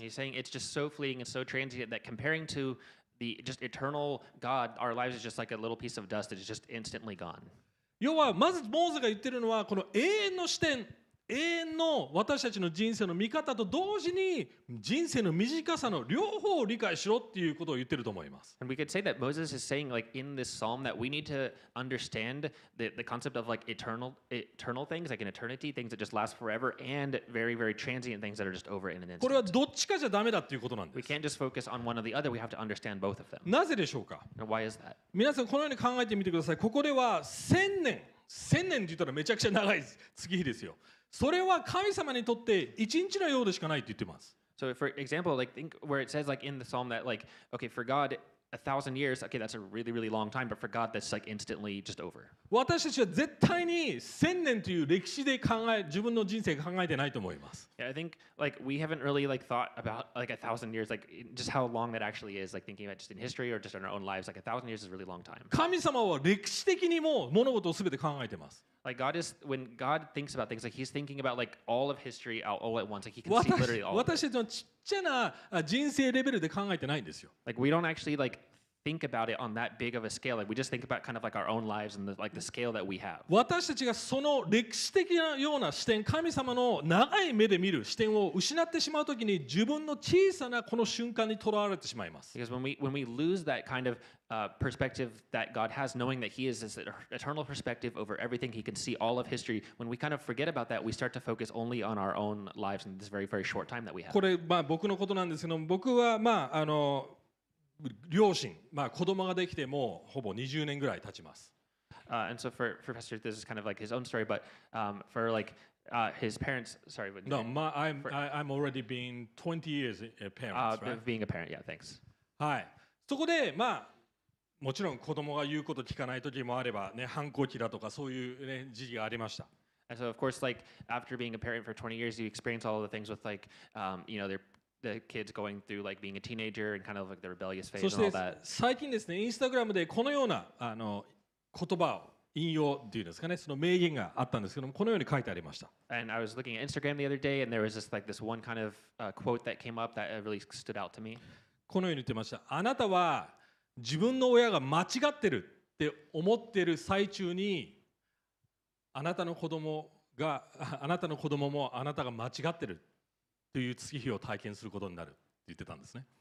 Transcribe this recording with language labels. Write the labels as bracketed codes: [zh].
[en] He's saying it's just so fleeting and so transient that comparing to the just eternal God, our lives is just like a little piece of dust that is just instantly gone. [ja] 要はまずモーゼが言ってるのはこの永遠の視点。永遠の私たちの人生の見方と同時に人生の短さの両方を理解しろっていうことを言ってると思います。 [en] And we could say that Moses is saying like in this psalm that we need to understand the concept of like eternal things like an eternity, things that just last forever and very, very transient things that are just over in an instant. [ja] これはどっちかじゃダメだっていうことなんです。 [en] We can't just focus on one or the other. We have to understand both of them. [ja] なぜでしょうか? [en] And why is that? [ja] 皆さんこのように考えてみてください。ここでは千年。千年って言ったらめちゃくちゃ長い月日ですよ。それは神様にとって一日のようでしかないって言ってます。 [en] So for example, like think where it says like in the psalm that like, okay, for God, 1,000 years, okay, that's a really, really long time, but for God, that's like instantly just over. [ja] 私たちは絶対に千年という歴史で自分の人生考えてないと思います。 [en] Yeah, I think like we haven't really like thought about like 1,000 years, like just how long that actually is, like thinking about just in history or just in our own lives, like 1,000 years is a really long time. [ja] 神様は歴史的にも物事をすべて考えてます。 [en] Like God is when God thinks about things, like He's thinking about like all of history all at once, like He can see literally all. [ja] 私たちのちっちゃな人生レベルで考えてないんですよ。 [en] Like we don't actually like think about it on that big of a scale. Like we just think about kind of like our own lives and the, like the scale that we have. [ja] 私たちがその歴史的なような視点、神様の長い目で見る視点を失ってしまうときに、自分の小さなこの瞬間にとらわれてしまいます。 [en] Because when we lose that kind of perspective that God has, knowing that He is this eternal perspective over everything, He can see all of history. When we kind of forget about that, we start to focus only on our own lives and this very, very short time that we have. [ja] これまあ僕のことなんですけど、僕はまああの両親、まあ子供ができてもうほぼ20年ぐらい経ちます。 [en] And so for Professor, this is kind of like his own story, but for like his parents, sorry, but no, I'm already been 20 years a parent, right? Being a parent, yeah, thanks. [ja] はい、そこでまあもちろん子供が言うこと聞かない時もあればね、反抗期だとかそういうね時期がありました。 [en] And so of course, like after being a parent for 20 years, you experience all the things with like you know the kids going through like being a teenager and kind of like the rebellious phase and all that. [ja] そして最近ですね、Instagram でこのようなあの言葉を引用っていうんですかね、その名言があったんですけども、このように書いてありました。 [en] And I was looking at Instagram the other day, and there was just like this one kind of quote that came up that really stood out to me. [ja] このように言ってました。あなたは自分の親が間違ってるって思ってる最中に、あなたの子供もあなたが間違ってる。という月日を体験することになるって言ってたんですね。